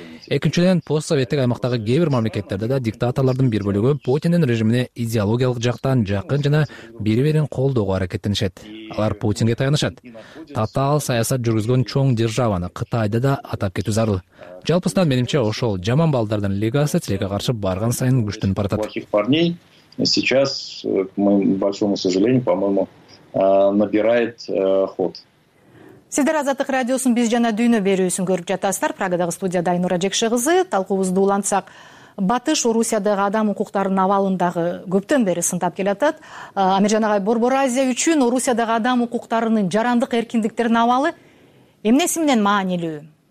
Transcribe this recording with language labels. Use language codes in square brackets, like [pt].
[ky] Экинчиден, постсоветтик аймактагы кээ бир мамлекеттерде да диктаторлордун бир бөлүгү Путиндин режимине идеологиялык жактан жакын жана бири бирин колдоого аракеттенишет. Алар Путинге таянышат. Татаал саясат жүргүзгөн чоң державаны Кытайды да атап кетүү зарыл. Жалпысынан менимче ошол жаман балдардын легасы тилекке каршы барган сайын күчтөнүп баратат. [ru] Сейчас, к моему большому сожалению, по-моему, набирает ход. [ky] Сиздер Азаттык радиосун биз жана дүйнө берүүсүн көрүп жатасыздар. Прагадагы студияда Айнура Жекши кызы. Талкуубузду улантсак, Батыш Орусиядагы адам укуктарынын абалындагы көптөн бери сындап келатат. Амиржан агай, Борбор Азия үчүн Орусиядагы адам укуктарынын, жарандык эркиндиктердин абалы эмнеси менен маанилүү?